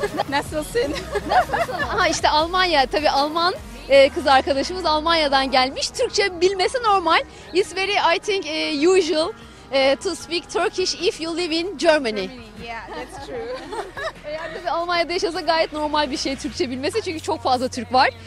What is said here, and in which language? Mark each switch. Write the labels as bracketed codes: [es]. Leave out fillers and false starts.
[tr] Nasılsın? Aha işte Almanya, tabii Alman kız arkadaşımız Almanya'dan gelmiş. Türkçe bilmesi normal. [en] It's very, I think, usual to speak Turkish if you live in Germany. Yeah, that's true. [tr] Eğer de Almanya'da yaşasa gayet normal bir şey Türkçe bilmesi çünkü çok fazla Türk var.